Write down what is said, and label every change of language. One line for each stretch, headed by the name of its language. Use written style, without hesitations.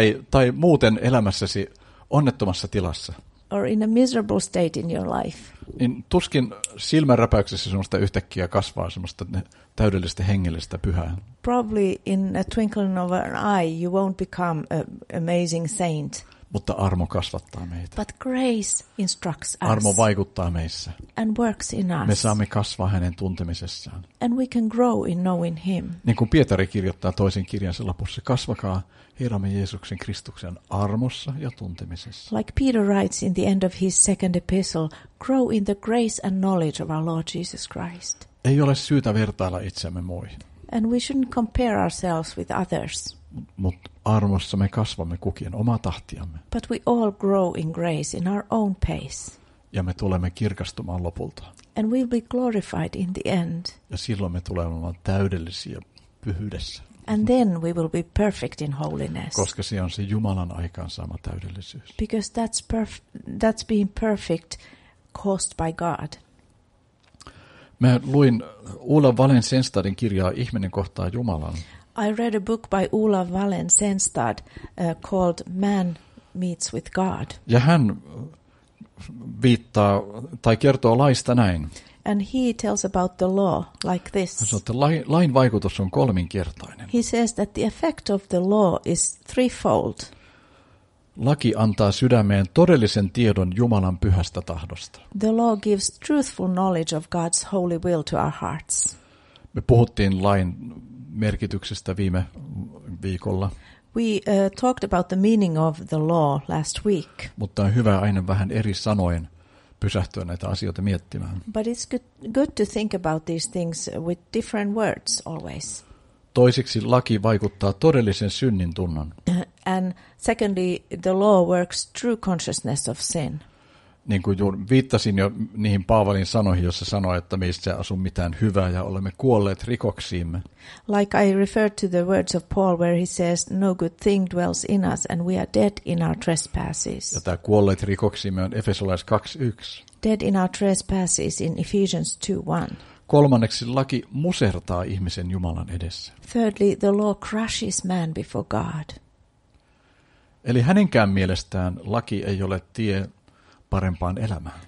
Finnish: tai muuten elämässäsi onnettomassa tilassa.
English: Or in a miserable state in your life.
Finnish: Niin tuskin silmänräpäyksessä semmoista yhtäkkiä kasvaa semmoista täydellistä hengellistä pyhää.
English: Probably in a twinkling of an eye you won't become an amazing saint.
Finnish: Mutta armo kasvattaa meitä.
English: But grace instructs us.
Finnish: Armo vaikuttaa meissä.
English: And works in us.
Finnish: Me saamme kasvaa hänen tuntemisessaan.
English: And we can grow in knowing him.
Finnish: Niin kuin Pietari kirjoittaa toisen kirjansa lopussa, kasvakaa Herramme Jeesuksen Kristuksen armossa ja tuntemisessa.
English: Like Peter writes in the end of his second epistle, grow in the grace and knowledge of our Lord Jesus Christ.
Finnish: Ei ole syytä vertailla itseämme muihin.
English: And we shouldn't compare ourselves with others.
Finnish: Mut armossa me kasvamme kukin omaa tahtiamme.
English: But we all grow in grace in our own pace.
Finnish: Ja me tulemme kirkastumaan lopulta.
English: And we'll be glorified in the end.
Finnish: Ja silloin me tulemme olemaan täydellisiä pyhyydessä.
English: And then we will be perfect in holiness.
Finnish: Koska se on se Jumalan aikaansaama täydellisyys.
English: Because that's being perfect caused by God.
Finnish: Mä luin Ulla Valensenstadin kirjaa Ihminen kohtaa Jumalan.
English: I read a book by Ulla Valensenstad called Man Meets with God.
Finnish: Ja hän viittaa tai kertoo laista näin.
English: And he tells about the law like this.
Finnish: Hän sanoo, että lain vaikutus on kolminkertainen.
English: He says that the effect of the law is threefold.
Finnish: Laki antaa sydämeen todellisen tiedon Jumalan pyhästä tahdosta.
English: The law gives truthful knowledge of God's holy will to our hearts.
Finnish: Me puhuttiin lain merkityksestä viime viikolla.
English: We talked about the meaning of the law last week.
Finnish: Mutta on hyvä aina vähän eri sanoin pysähtyä näitä asioita miettimään.
English: But it's good to think about these things with different words always.
Finnish: Toiseksi laki vaikuttaa todellisen synnin tunnon.
English: And secondly, the law works true consciousness of sin.
Finnish: Niin kuin viittasin jo niihin Paavalin sanoihin, jossa sanoi, että meistä ei asu mitään hyvää ja olemme kuolleet rikoksiimme.
English: Like I referred to the words of Paul where he says, no good thing dwells in us and we are dead in our trespasses.
Finnish: Ja tämä kuolleet rikoksiimme on Efesolais 2.1.
English: Dead in our trespasses in Ephesians 2.1.
Finnish: Kolmanneksi laki musertaa ihmisen Jumalan edessä.
English: Thirdly, the law crushes man before God.
Finnish: Eli hänenkään mielestään laki ei ole tie parempaan elämään.